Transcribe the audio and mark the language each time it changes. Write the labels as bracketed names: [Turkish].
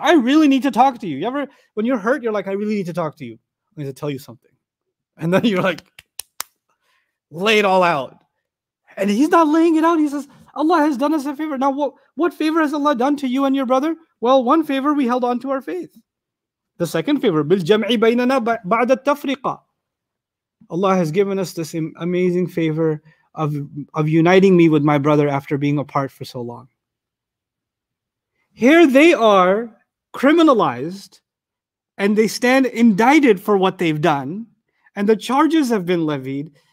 [English] I really need to talk to you. You ever, when you're hurt, you're like, I really need to talk to you. I need to tell you something. And then you're like, lay it all out. And he's not laying it out. He says, Allah has done us a favor. Now, what favor has Allah done to you and your brother? Well, one favor, we held on to our faith. The second favor, [Arabic] بِالْجَمْعِ بَيْنَنَا بَعْدَ التَّفْرِقَةِ. [English] Allah has given us this amazing favor of uniting me with my brother after being apart for so long. Here they are criminalized, and they stand indicted for what they've done, and the charges have been levied.